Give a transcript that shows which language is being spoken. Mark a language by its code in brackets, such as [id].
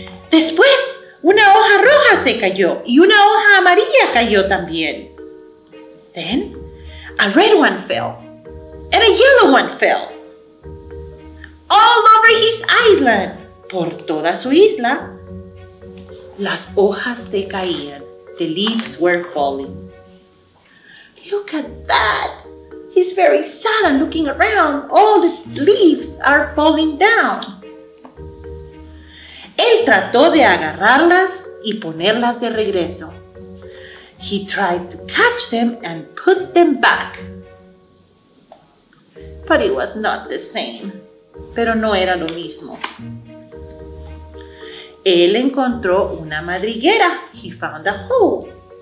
[es] Después, una hoja roja se cayó y una hoja amarilla cayó también. [en] Then, a red one fell, and a yellow one fell. All over his island, [es] por toda su isla, las hojas se caían. [en] The leaves were falling. Look at that. He's very sad and looking around. All the leaves are falling down. [es] Él trató de agarrarlas y ponerlas de regreso. [en] He tried to catch them and put them back. But it was not the same. [es] Pero no era lo mismo. Él encontró una madriguera. [en] He found a hole.